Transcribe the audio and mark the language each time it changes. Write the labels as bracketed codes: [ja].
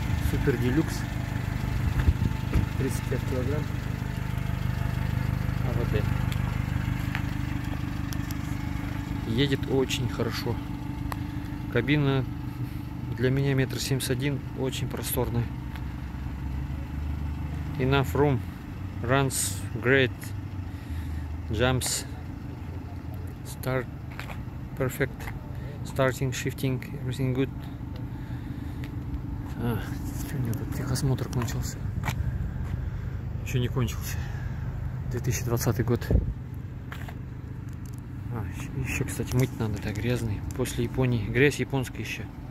[ru] Супер делюкс, 35 килограмм, АВД. Едет очень хорошо. Кабина для меня 1,71 м, очень просторная. [en] Enough room, runs great, jumps, start perfect, starting, shifting, everything good. [ru] Нет, техосмотр кончился. Еще не кончился. 2020 год. А, еще, кстати, мыть надо, так грязный. После Японии. Грязь японская еще.